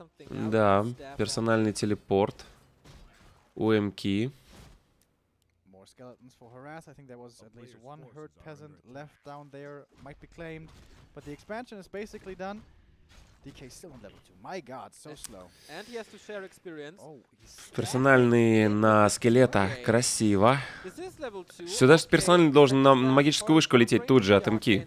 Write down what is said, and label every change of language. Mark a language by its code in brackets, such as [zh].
[ru] Да, персональный телепорт. У МК. [en] Skeletons for harass. I think there was at least one hurt peasant left down there. Might be claimed, but the expansion is basically done. DK still on level 2. My God, so slow. And he has to share experience. [ru] Персональный на скелета, красиво. Сюда же персональный должен на магическую вышку лететь тут же от МК.